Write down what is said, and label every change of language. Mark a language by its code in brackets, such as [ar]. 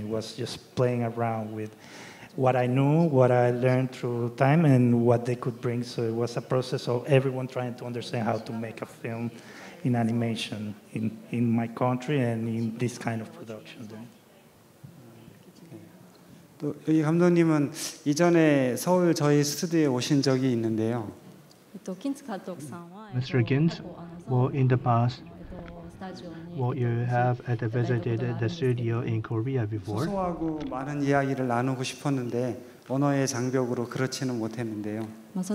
[en] It was just playing around with what I knew, what I learned through time, and what they could bring. So it was a process of everyone trying to understand how to make a film in animation in my country and in this kind of production. [ko] 또 여기 감독님은 이전에 서울 저희 스튜디오에 오신 적이 있는데요. [en] Mr. Gints, well, in the past, well, you have visited the studio in Korea before. [ko] 소소하고 많은 이야기를 나누고 싶었는데 언어의 장벽으로 그렇지는 못했는데요.